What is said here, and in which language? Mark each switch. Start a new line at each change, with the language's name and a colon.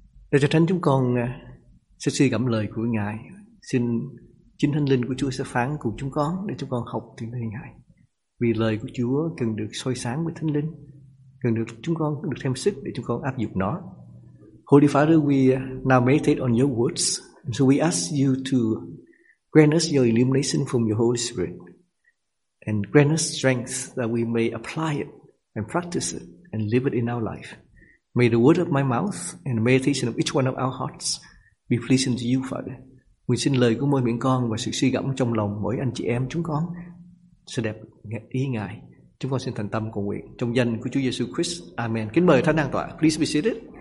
Vietnamese: Để cho Thánh chúng con sẽ suy gẫm lời của Ngài. Xin chính Thánh Linh của Chúa sẽ phán cùng chúng con để chúng con học từ lời Ngài. Vì lời của Chúa cần được soi sáng với Thánh Linh, cần được chúng con được thêm sức để chúng con áp dụng nó.
English: Holy Father, we now meditate on your words. And so we ask you to grant us your illumination from your Holy Spirit and grant us strength that we may apply it and practice it and live it in our life. May the word of my mouth and the meditation of each one of our hearts be pleasing to you, Father.
Vietnamese: Nguyện xin lời của môi miệng con và sự suy gẫm trong lòng mỗi anh chị em chúng con sẽ đẹp ý Ngài. Chúng con xin thành tâm cầu nguyện trong danh của Chúa Giêsu Christ. Amen. Kính mời Thánh An Tọa.
English: Please be seated.